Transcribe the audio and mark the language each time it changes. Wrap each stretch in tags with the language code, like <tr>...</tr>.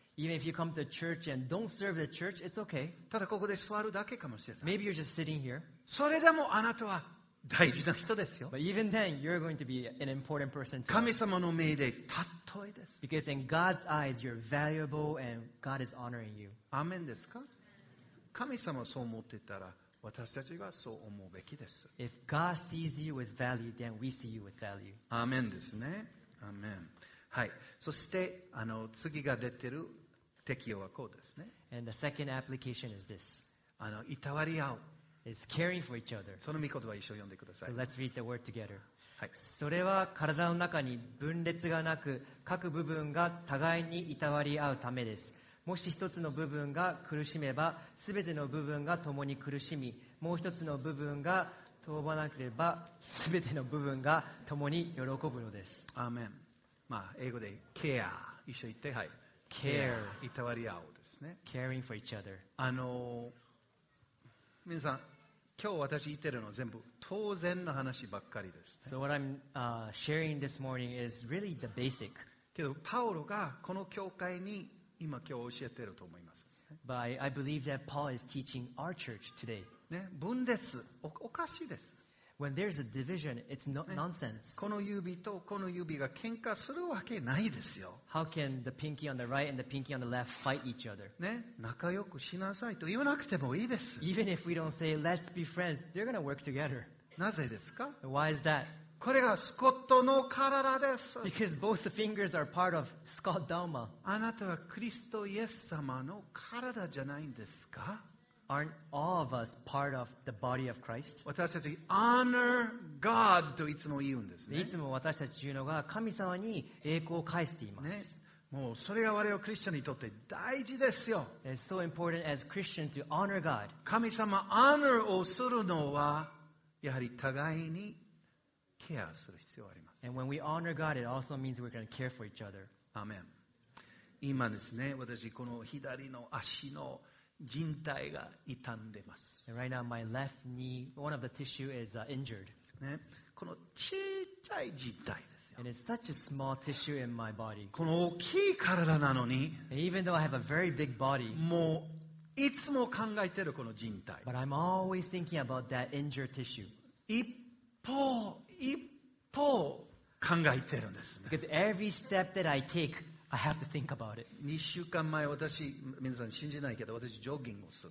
<en>Even if you come to church and don't serve the church, it's okay.</en> <ja>ただここで座るだけかもしれない。</ja> <en>Maybe you're just sitting here.</en> <ja>それでもあなたは大事な人ですよ。</ja> <en>But even then, you're going to be an important person.</en> <ja>神様の目でたっといです。</ja> <en>Because in God's eyes, you're valuable and God is honoring you.</en> <ja>アメンですか？神様はそう思っていたら、私たちがそう思うべきです。</ja> <en>If God sees you with value, then we see you with value.</en> <ja>アメンですね。アメン。はい。そして次が出てる適用はこうですね。</ja> <en>And the second application is this.</en> <ja>いたわり合う。</ja> <en>Is caring for each other.</en> <ja>その御言葉を一緒に読んでください。</ja> <en>So let's read the word together.</en> <ja>はい、それは体の中に分裂がなく、各部分が互いにいたわり合うためです。もし一つの部分が苦しめば、すべての部分が共に苦しみ、もう一つの部分が遠ばなければ、すべての部分が共に喜ぶのです。アーメン。まあ、英語でケア、一緒に言って、はい。ケア、いたわり合うですね。</ja> <en>Caring for each other.</en> <ja>皆さん、今日私言ってるのは全部当然の話ばっかりです、ね。</ja> <en>So what I'm sharing this morning is really the basic.</en> <ja>けど、パウロがこの教会に今今日教えてると思います。</ja> <en>But I believe that Paul is teaching our church today.</en> <ja>ね、分裂、おかしいです。</ja> <en>When there's a division, it's nonsense.</en> <ja>この指とこの指が喧嘩するわけないですよ。</ja> <en>How can the pinky on the right and the pinky on the left fight each other?</en> <ja>ね、仲良くしなさいと言わなくてもいいです。</ja> <en>Even if we don't say let's be friends, they're gonna work together.</en> <ja>なぜですか？</ja> <en>Why is that?</en> <ja>これがスコットの体です。</ja> <en>Because both the fingers are part of Scott Dalma.</en> <ja>あなたはクリストイエス様の体じゃないんですか？</ja> <en>Aren't all of us part of the body of Christ?</en> <ja>私たち</ja> <en>honor God</en> <ja>といつも言うんですね。いつも私たち言うのが神様に栄光を返しています、ね。もうそれが我々クリスチャンにとって大事ですよ。</ja> <en>It's so important as Christian to honor God.</en> <ja>神様 honor をするのはやはり互いにケアする必要があります。</ja> <en>And when we honor God, it also means we're going to care for each other. Amen.</en> <ja>今ですね、私この左の足の靭帯が傷んでます。</ja> <en>Right now, my left knee, one of the tissue is injured.</en> <ja>ね、この小さい靭帯ですよ。</ja> <en>And it's such a small tissue in my body.</en> <ja>この大きい体なのに、</ja> <en>even though I have a very big body,</en> <ja>もういつも考えてるこの靭帯。</ja> <en>But I'm always thinking about that injured tissue.</en> <ja>一歩一歩考えてるんですね。</ja> <en>Because every step that I take. I have to think about it.</en> <ja>2週間前、私、皆さん信じないけど、私、ジョギングをする。</ja>